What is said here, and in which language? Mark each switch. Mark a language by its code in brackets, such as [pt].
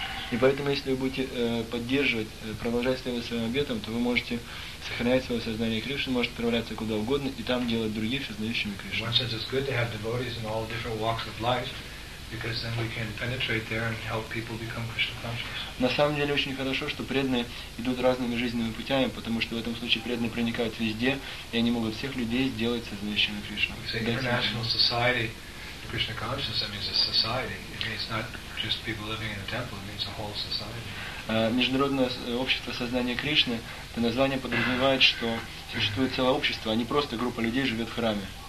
[ru] И поэтому, если вы будете поддерживать, продолжать следовать своим обетам, то вы можете сохранять свое сознание Кришны, можете отправляться куда угодно и там делать других сознающими Кришны. [en] Because then we can penetrate there and help people become Krishna conscious. [ru] На самом деле очень хорошо, что преданные идут разными жизненными путями, потому что в этом случае преданные проникают везде, и они могут всех людей сделать сознающими Кришну. [en] International society, Krishna consciousness, that means a society. It means not just people living in a temple. It means a whole society. [ru] Международное общество сознания Кришны. Это название подразумевает, что существует целое общество, а не просто группа людей живет в храме.